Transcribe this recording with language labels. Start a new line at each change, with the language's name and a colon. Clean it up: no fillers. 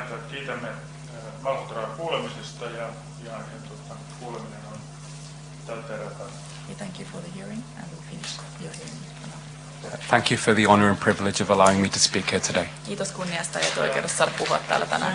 Finnish: Kiitämme Valtraa kuulemisesta ja kuuleminen on tältä erää.
English: Thank you for the hearing and we'll finish your hearing. Thank you for the honor and privilege of allowing me to speak here today.
Finnish: Kiitos kunniasta ja oikeudesta saada puhua täällä tänään.